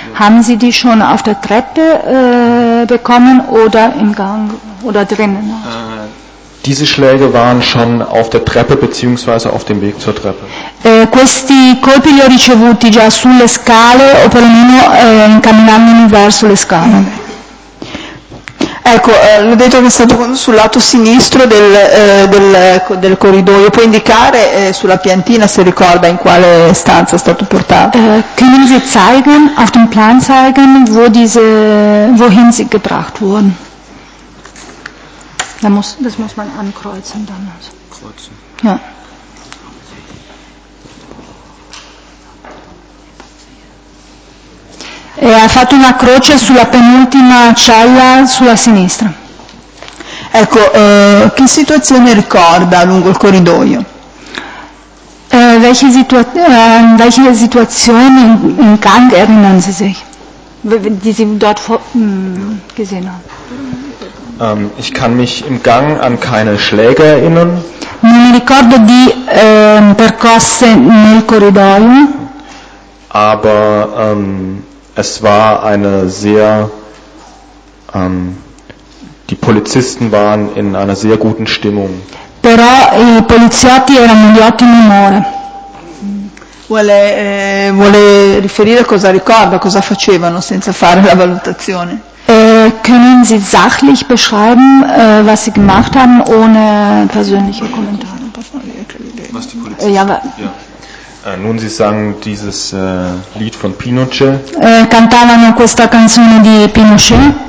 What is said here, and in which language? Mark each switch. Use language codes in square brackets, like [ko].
[de] Haben Sie die schon auf der Treppe bekommen oder im Gang oder drinnen? Diese Schläge waren schon auf der Treppe beziehungsweise auf dem Weg zur Treppe. [it] Questi colpi li ho ricevuti già sulle scale o perlomeno camminando verso le scale. Ecco, l'ho detto che è stato sul lato sinistro del corridoio. Può indicare sulla piantina se ricorda in quale stanza è stato portato? [de] Können Sie zeigen, auf dem Plan zeigen, wohin sie gebracht wurden? Das muss man ankreuzen dann. Kreuzen. Ja. [it] E ha fatto una croce sulla penultima cella sulla sinistra. Ecco, che situazione ricorda lungo il corridoio? [de] Welche Situation im Gang erinnern Sie sich, die Sie dort gesehen haben? Ich kann mich im Gang an keine Schläge erinnern. [it] Non mi ricordo di percosse nel corridoio. [de] Aber es war eine sehr, die Polizisten waren in einer sehr guten Stimmung. [it] Però i poliziotti erano di ottimo umore. Vuole riferire cosa ricorda, cosa facevano senza fare la valutazione? [de] Können Sie sachlich beschreiben, was Sie gemacht haben, ohne persönliche Kommentare? Was die Polizisten? Ja, aber. Nun, sie sangen dieses Lied von Pinochet. [it] Cantavano questa canzone di Pinochet.